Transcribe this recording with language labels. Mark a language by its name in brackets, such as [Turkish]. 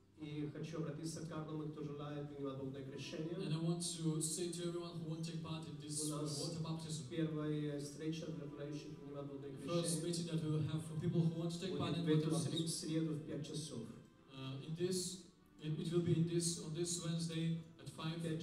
[Russian] И хочу обратиться к каждому, кто желает принимать водное крещение. [English] And I want to say to everyone who wants to take part in this water baptism. [Russian] Первая встреча для желающих принимать водное крещение. [English] First meeting that we will have for people who want to take part in water baptism. [Russian] В среду в 5 часов. [English] It will be in this on this Wednesday at 5 p.m.